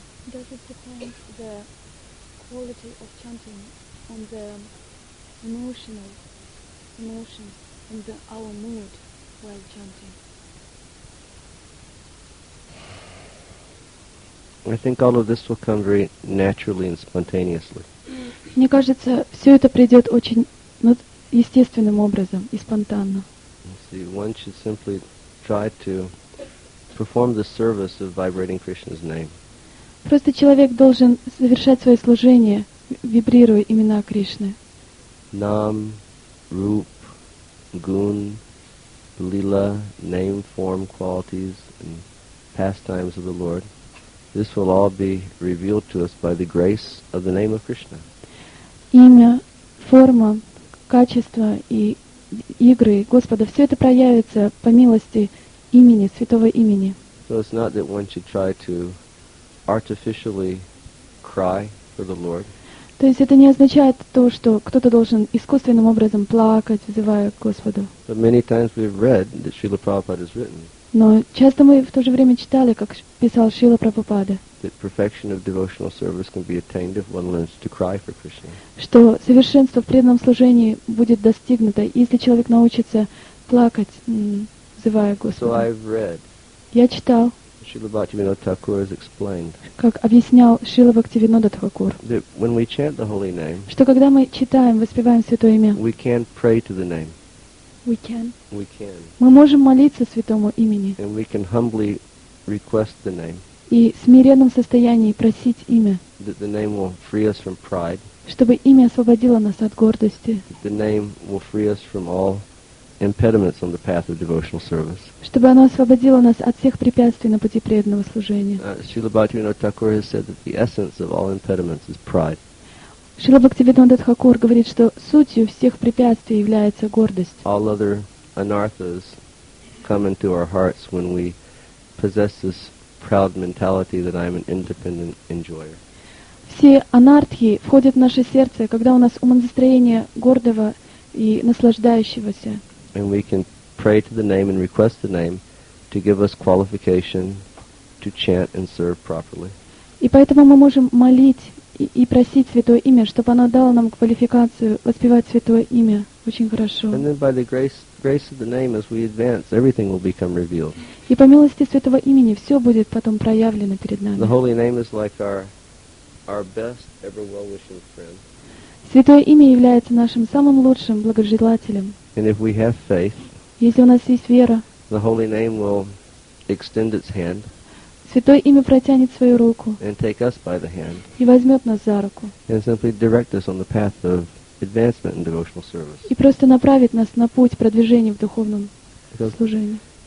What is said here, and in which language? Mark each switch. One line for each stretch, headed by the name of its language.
English: Does it depend the quality of chanting on the emotion and our mood while chanting? I think all of this will come very naturally and spontaneously.
Russian: Мне кажется, все это придет очень естественным образом и спонтанно.
English: See, one should simply try to perform the service of vibrating Krishna's name.
Russian: Просто человек должен совершать свое служение, вибрируя имена Кришны.
Sanskrit: Нам, руп, гун, лила,
English: name, form, qualities, and pastimes of the Lord. This will all be revealed to us by the grace of the name of Krishna.
Russian: Имя, форма, качество и игры Господа, все это проявится по милости имени, святого имени.
English: So it's not that one should try to artificially cry for the Lord.
Russian: То есть это не означает то, что кто-то должен искусственным образом плакать, взывая к Господу.
English: But many times we've read that Srila Prabhupada has written.
Russian: Но часто мы в то же время читали, как писал Шрила Прабхупада.
English: That perfection of devotional service can be attained if one learns to cry for Krishna.
Russian: Что совершенство в преданном служении будет достигнуто, если человек научится плакать, взывая к Господу.
English: So I've read.
Russian: Я читал.
English: Srila Bhaktivinoda Thakur has explained.
Russian: Как объяснял Шрила Бхактивинода Тхакур.
English: That when we chant the holy name.
Russian: Что когда мы читаем, воспеваем святое имя.
English: We can pray to the name. We can. We can.
Russian: Мы можем молиться святому имени.
English: And we can humbly request the name.
Russian: И в смиренном состоянии просить имя.
English: That the name will free us from pride.
Russian: Чтобы имя освободило нас от гордости.
English: That the name will free us from all impediments on the path of devotional service.
Russian: Чтобы оно освободило нас от всех препятствий на пути преданного служения.
English: Srila Bhaktivinoda Thakur has said that the essence of all impediments is pride.
Russian: Шрила Бхактивинода Тхакур говорит, что сутью всех препятствий является гордость.
English: All other anarthas come into our hearts when we possess this proud mentality that I'm an independent enjoyer.
Russian: Все анартхи входят в наше сердце, когда у нас умонастроение гордого и наслаждающегося.
English: And we can pray to the name and request the name to give us qualification to chant and serve properly.
Russian: И поэтому мы можем молить и просить святое имя, чтобы оно дало нам квалификацию воспевать святое имя очень хорошо.
English: And then by the grace of the name, as we advance, everything will become revealed.
Russian: И по милости святого имени все будет потом проявлено перед нами.
English: The holy name is like our best ever well-wishing friend.
Russian: Святое имя является нашим самым лучшим благожелателем.
English: And if we have faith,
Russian: если у нас есть вера,
English: the holy name will extend its hand,
Russian: святое имя протянет свою руку,
English: and take us by the hand,
Russian: и возьмет нас за руку,
English: and simply direct us on the path of advancement in devotional service.
Russian: И просто направит нас на путь продвижения в духовном служении.